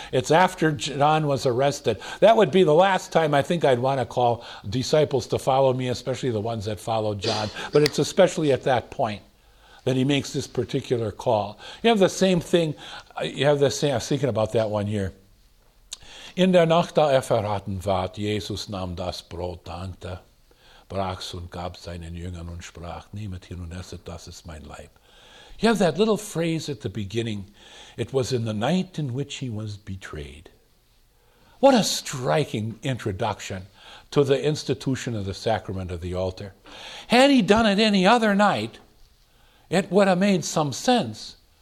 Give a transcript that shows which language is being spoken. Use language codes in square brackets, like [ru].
[en] It's after John was arrested. That would be the last time I think I'd want to call disciples to follow me, especially the ones that followed John. But it's especially at that point that he makes this particular call. You have the same thing, I was thinking about that one here. [de] In der Nacht, da er verraten ward, Jesus nahm das Brot, dankte, brach's und gab's seinen Jüngern und sprach, nehmet hin und esset, das ist mein Leib. [en] You have that little phrase at the beginning, it was in the night in which he was betrayed. What a striking introduction to the institution of the sacrament of the altar. Had he done it any other night, it would have made some sense.